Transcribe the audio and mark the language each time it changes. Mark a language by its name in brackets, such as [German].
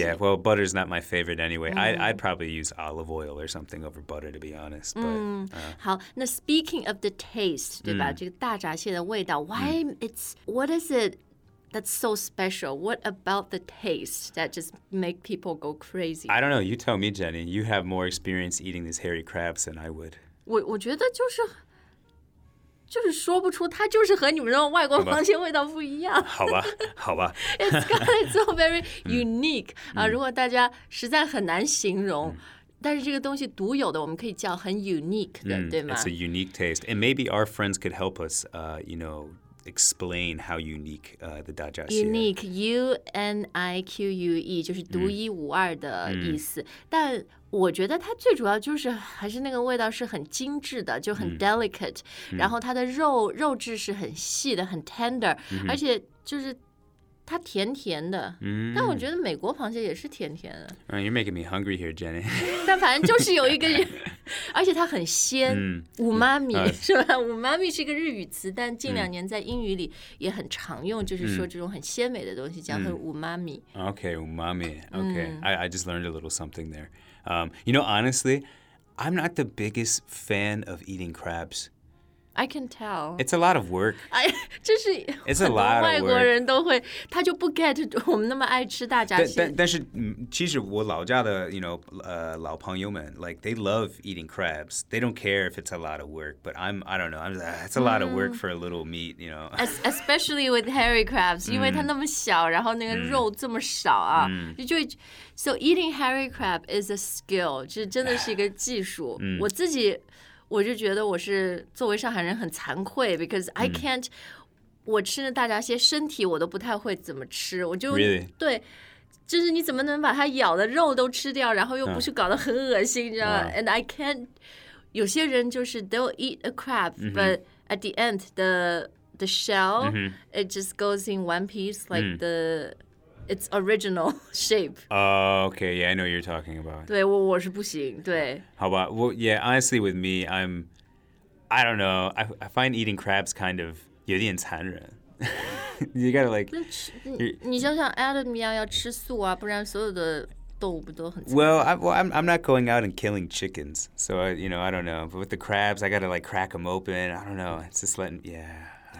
[English] Yeah, well, butter's not my favorite anyway、I'd probably use olive oil or something over butter to be honest but,、 [Chinese] 好那 [English] speaking of the taste [Chinese] 对吧、这个大闸蟹的味道 why、 [English] it's what is it that's so special. What about the taste that just make people go crazy? I don't know. You tell me, Jenny. You have more experience eating these hairy crabs than I would. [Chinese] 我觉得就是就是说不出，它就是和你们那种外国螃蟹味道不一样。好吧，好吧。 [English] It's got so very unique. [Chinese] 啊，如果大家实在很难形容，但是这个东西独有的，我们可以叫很 unique 的，对吗？ [English] It's a unique taste. And maybe our friends could help us, you know, explain how unique the 大闸蟹 [Chinese] Unique, U-N-I-Q-U-E, 就是独一无二的意思。但我觉得它最主要就是还是那个味道是很精致的，就很 delicate。然后它的肉质是很细的，很 tender，而且就是它甜甜的。但我觉得美国螃蟹也是甜甜的。 [English] You're making me hungry here, Jenny. [Chinese] 但反正就是有一个，而且它很鲜。 umami 是吧？umami 是一个日语词，但近两年在英语里也很常用，就是说这种很鲜美的东西叫做umami。 [English] Okay, umami. Okay, I just learned a little something there. You know, honestly, I'm not the biggest fan of eating crabs. I can tell. It's a lot of work. It's a lot of work. [Chinese] 外国人都会，他就不 get 我们那么爱吃大闸蟹。但是其实我老家的 you know, 老朋友们 like, [English] they love eating crabs. They don't care if it's a lot of work. But I don't know. It's a lot of work for a little meat, you know. Especially with hairy crabs. [Chinese] 因为它那么小，然后那个肉这么少啊，就会。 [English] So eating hairy crab is a skill. [Chinese] 这真的是一个技术。我自己我就觉得我是作为上海人很惭愧 ， [English] because I can't， [Chinese] 我吃那大闸蟹身体我都不太会怎么吃，我就、 [English] really? [Chinese] 对，就是你怎么能把它咬的肉都吃掉，然后又不是搞得很恶心，你知道吗 ？ [English] And I can't， [Chinese] 有些人就是 [English] they'll eat a crab，but at the end the shell it just goes in one piece like the its original shape. Okay, yeah, I know what you're talking about. [Chinese] 对，我是不行，对。 [English] 好吧，well, yeah, honestly with me, I don't know, I find eating crabs kind of [Chinese] 有点残忍。 [English] You gotta like... [Chinese] 你就像 Adam 一样要吃素啊，不然所有的动物不都很残忍。 [English] Well, I'm not going out and killing chickens, so, I, you know, I don't know. But with the crabs, I gotta like crack them open, I don't know, it's just letting, yeah...